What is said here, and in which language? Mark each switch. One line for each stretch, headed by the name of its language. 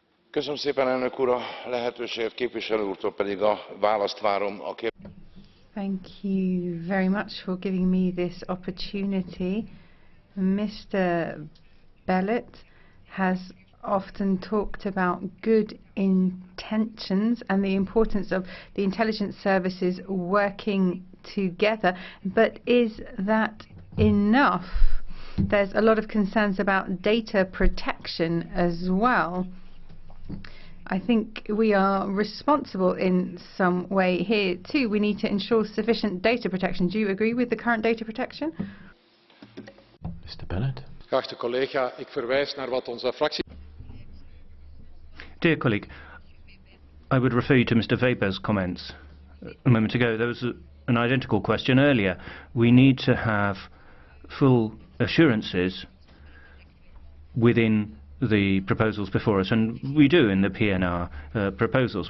Hungarian: Köszönöm szépen, elnök úr, a lehetőséget, képviselő úrtól pedig a választ várom.
English: Thank you very much for giving me this opportunity. Mr. Bellet has often talked about good intentions and the importance of the intelligence services working together, but is that enough? There's a lot of concerns about data protection as well. I think we are responsible in some way here too. We need to ensure sufficient data protection. Do you agree with the current data protection? Mr. Bellet.
Dutch: Geachte collega, ik verwijs naar wat onze fractie.
English: Dear colleague, I would refer you to Mr. Weber's comments a moment ago. There was an identical question earlier. We need to have full assurances within the proposals before us, and we do in the PNR proposals.